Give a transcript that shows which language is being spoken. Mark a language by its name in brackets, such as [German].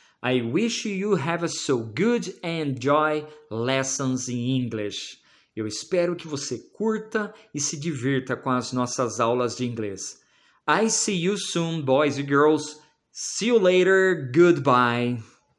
[English] I wish you have a so good and enjoy lessons in English. [Portuguese] Eu espero que você curta e se divirta com as nossas aulas de inglês. [English] I see you soon, boys and girls. See you later. Goodbye.